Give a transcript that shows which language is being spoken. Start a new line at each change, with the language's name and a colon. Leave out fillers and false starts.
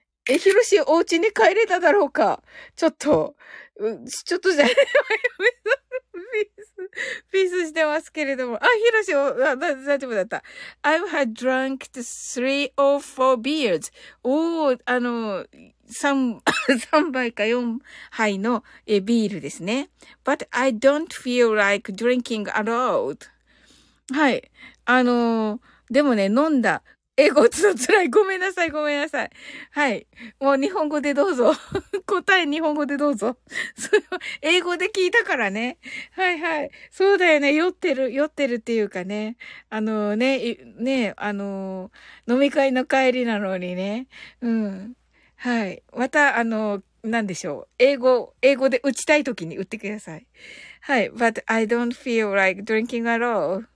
Japanese: え、ヒロシ、お家に帰れただろうか。ちょっと、ちょっとじゃ、まゆみさん、ピースしてますけれども。あ、ヒロシ、大丈夫だった。
English: I've had drunk three or four beers.
Japanese: おー、3杯か4杯のビールですね。
English: But I don't feel like drinking at all.
Japanese: はい。でもね、飲んだ。英語つつらい。ごめんなさい、ごめんなさい。はい。もう日本語でどうぞ。答え日本語でどうぞ。それ英語で聞いたからね。はいはい。そうだよね。酔ってるっていうかね。飲み会の帰りなのにね。うん。はい。また、なんでしょう。英語で打ちたい時に打ってください。はい。
English: But I don't feel like drinking at all.